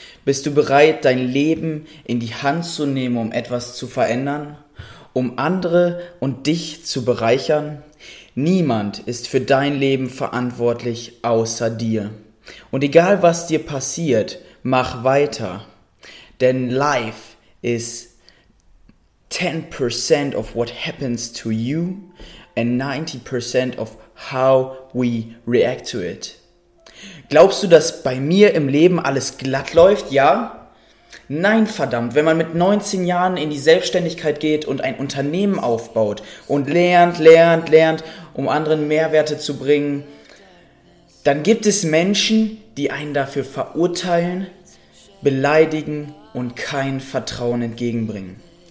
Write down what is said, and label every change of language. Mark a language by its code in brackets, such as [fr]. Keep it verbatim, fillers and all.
[de] Bist du bereit, dein Leben in die Hand zu nehmen, um etwas zu verändern? Um andere und dich zu bereichern? Niemand ist für dein Leben verantwortlich außer dir. Und egal was dir passiert, mach weiter. [en] Denn life is ten percent of what happens to you and ninety percent of how we react to it. [de] Glaubst du, dass bei mir im Leben alles glatt läuft? Ja? Nein, verdammt. Wenn man mit neunzehn Jahren in die Selbstständigkeit geht und ein Unternehmen aufbaut und lernt, lernt, lernt, um anderen Mehrwerte zu bringen, dann gibt es Menschen, die einen dafür verurteilen, beleidigen und kein Vertrauen entgegenbringen.